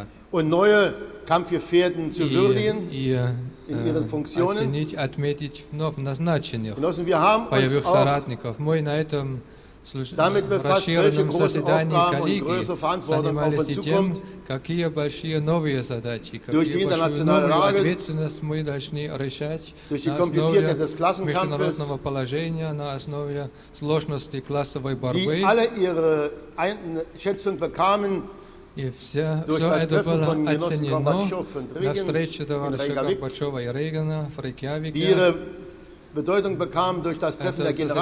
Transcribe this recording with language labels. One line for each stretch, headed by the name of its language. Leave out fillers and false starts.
German: und neue Kampfgefährten zu würdigen in ihren Funktionen. Genossen, wir haben uns auch damit befasst, welche großen Aufgaben und größere Verantwortung auf uns zukommt,
Russian: какие большие новые задачи,
German: durch die internationale
Russian: Lage, какие большие новые ответственности мы должны решать
German: durch die Komplizierte des Klassenkampfes,
Russian: на основе международного положения, на основе сложности классовой борьбы,
German: die alle ihre Einschätzung bekamen,
Russian: и все, durch все это было оценено на встрече товарища Горбачева и Рейгана в Рейкьявике.
German: Bedeutung bekam durch das Treffen der